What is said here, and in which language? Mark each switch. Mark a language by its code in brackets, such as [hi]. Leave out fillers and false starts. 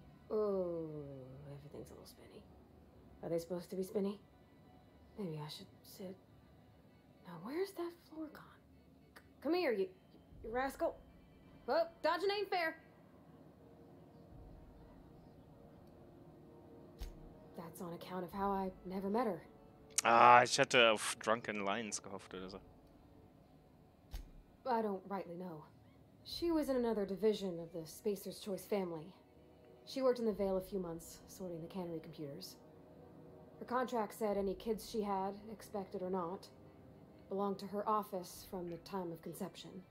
[en] Oh, everything's a little spinny. Are they supposed to be spinny? Maybe I should sit. Now, where's that floor gone? Come here, you rascal. Oh, dodging ain't fair. That's on account of how I never met her. [de] Ah, ich hatte auf [en] drunken lines [de] gehofft oder so. [en] I don't rightly know. She was in another division of the Spacer's Choice family. She worked in the Vale a few months, sorting the cannery computers. Her contract said any kids she had, expected or not, belonged to her office from the time of conception.